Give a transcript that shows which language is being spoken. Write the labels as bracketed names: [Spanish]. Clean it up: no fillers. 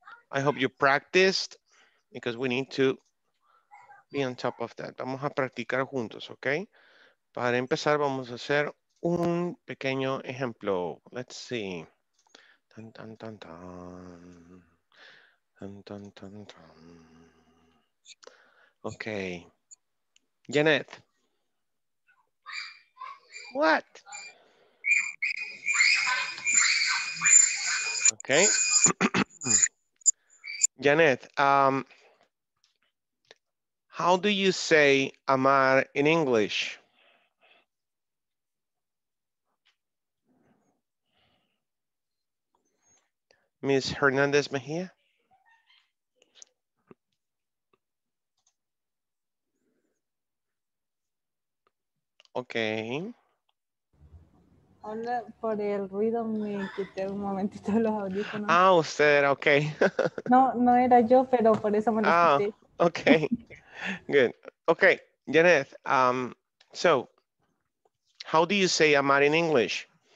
[English] I hope you practiced because we need to be on top of that. [Spanish] Vamos a practicar juntos, ¿ok? Para empezar, vamos a hacer un pequeño ejemplo. [English] Let's see. Tan, tan, tan, tan. Tan, tan, tan, tan. Ok. Janet. What? Ok. Janet, how do you say amar in English? Miss Hernandez Mejia? Okay. [Spanish] Hola, por el ruido me quité un momentito los audífonos. Ah, usted era, ok. No era yo, pero por eso me lo quité. [English] Ah, ok. Good. Ok, Janet. So, how do you say amar in English?